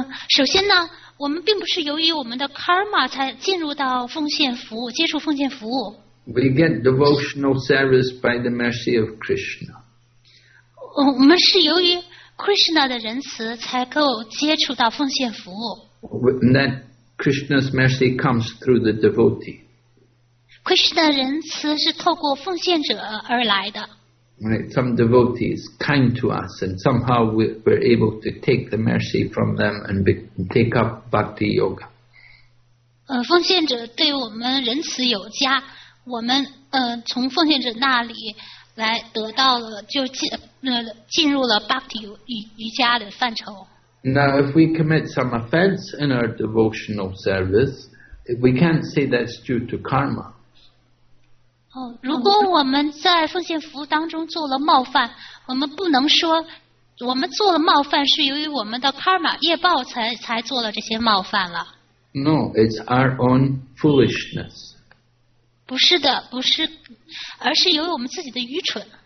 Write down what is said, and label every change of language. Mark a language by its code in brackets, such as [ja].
[zh] 首先呢，我们并不是由于我们的 karma 才进入到奉献服务，接触奉献服务。 [en] We get devotional service by the mercy of Krishna. [zh] 我们是由于 Krishna 的仁慈才够接触到奉献服务。 [en] And then Krishna's mercy comes through the devotee. [zh] Krishna 仁慈是透过奉献者而来的。 [en] Right, some devotees kind to us, and somehow we're able to take the mercy from them and take up bhakti yoga. [zh] 奉献者对我们仁慈有加，我们从奉献者那里来得到了就进进入了 Bhakti 瑜伽的范畴。 [en] Now, if we commit some offense in our devotional service, we can't say that's due to karma. [zh] 如果我们在奉献服务当中做了冒犯，我们不能说我们做了冒犯是由于我们的 karma 业报才做了这些冒犯了。 [en] No, it's our own foolishness. [zh] 不是的，不是，而是由于我们自己的愚蠢。